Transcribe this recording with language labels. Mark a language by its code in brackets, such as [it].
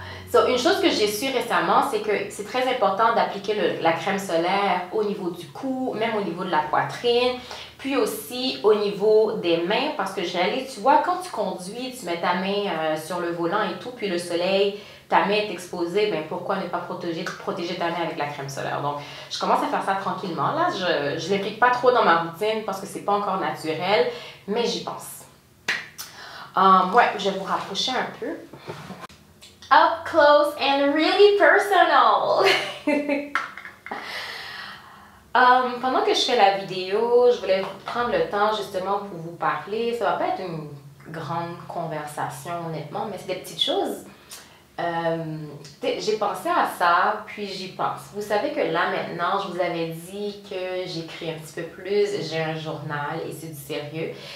[fr] So, une chose que j'ai su récemment, c'est que c'est très important d'appliquer la crème solaire au niveau du cou, même au niveau de la poitrine, puis aussi au niveau des mains, parce que généralement, tu vois, quand tu conduis, tu mets ta main sur le volant et tout, puis le soleil, ta main est exposée, ben pourquoi ne pas protéger ta main avec la crème solaire? Donc, je commence à faire ça tranquillement. Là, je ne l'applique pas trop dans ma routine parce que c'est pas encore naturel, mais j'y pense. Ouais, je vais vous rapprocher un peu. [en] Up close and really personal! [fr] pendant que je fais la vidéo, je voulais prendre le temps justement pour vous parler. Ça va pas être une grande conversation honnêtement, mais c'est des petites choses. J'ai pensé à ça, puis j'y pense. Vous savez que là maintenant, je vous avais dit que j'écris un petit peu plus, j'ai un journal et c'est du sérieux.